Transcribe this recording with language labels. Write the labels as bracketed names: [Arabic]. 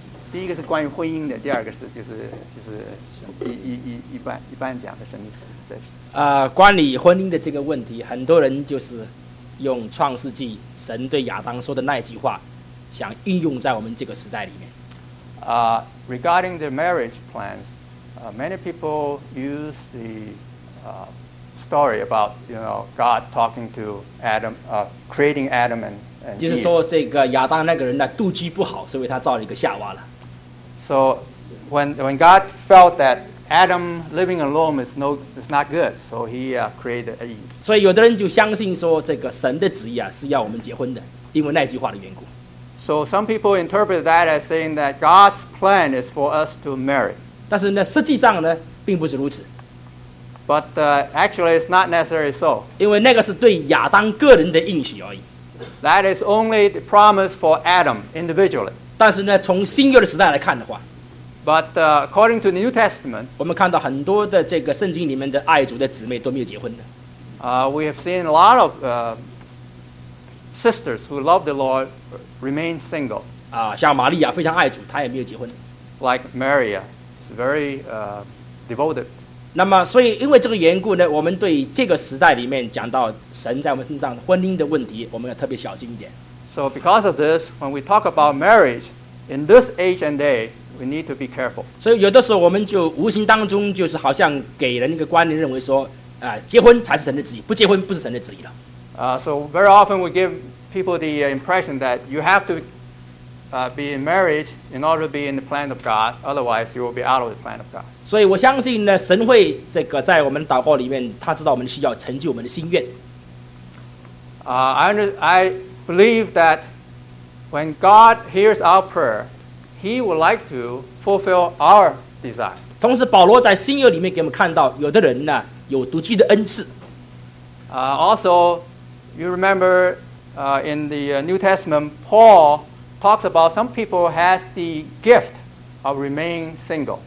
[Chinese] 第一个是关于婚姻的，第二个是就是一般讲的神的。关于婚姻的这个问题，很多人就是用创世纪神对亚当说的那句话，想应用在我们这个时代里面。 [English] Regarding the marriage plans, many people use the story about, you know, God talking to Adam, creating Adam and Eve. [Chinese] 就是说这个亚当那个人呢，妒忌不好，所以他造了一个夏娃了。 [English] So when God felt that Adam living alone is not good, so he created Eve. [Chinese] 所以有的人就相信说这个神的旨意啊是要我们结婚的，因为那句话的缘故。 [English] So some people interpret that as saying that God's plan is for us to marry. [Chinese] 但是呢，实际上呢，并不是如此。 [English] But actually, it's not necessarily so. [Chinese] 因为那个是对亚当个人的应许而已。 [English] That is only the promise for Adam individually. [Chinese] 但是呢，从新约的时代来看的话。 [English] But according to the New Testament, [Chinese] 我们看到很多的这个圣经里面的爱主的姊妹都没有结婚的。 [English] We have seen a lot of sisters who love the Lord remain single. [Chinese] 啊，像玛利亚非常爱主，她也没有结婚。 [English] Like Mary, she's very devoted. [Chinese] 那么，所以因为这个缘故呢，我们对这个时代里面讲到神在我们身上婚姻的问题，我们要特别小心一点。 [English] So because of this, when we talk about marriage in this age and day. We need to be careful. [Chinese] 所以有的时候我们就无形当中就是好像给人一个观念，认为说，结婚才是神的旨意，不结婚不是神的旨意了。 [English] So very often we give people the impression that you have to be in marriage in order to be in the plan of God, otherwise you will be out of the plan of God. [Chinese] 所以我相信呢，神会这个在我们祷告里面，他知道我们需要成就我们的心愿。 [English] I believe that when God hears our prayer. He would like to fulfill our desire. [Chinese] 同时，保罗在新约里面给我们看到，有的人呢有独居的恩赐。 [English] Also, you remember, in the New Testament, Paul talks about some people has the gift of remaining single.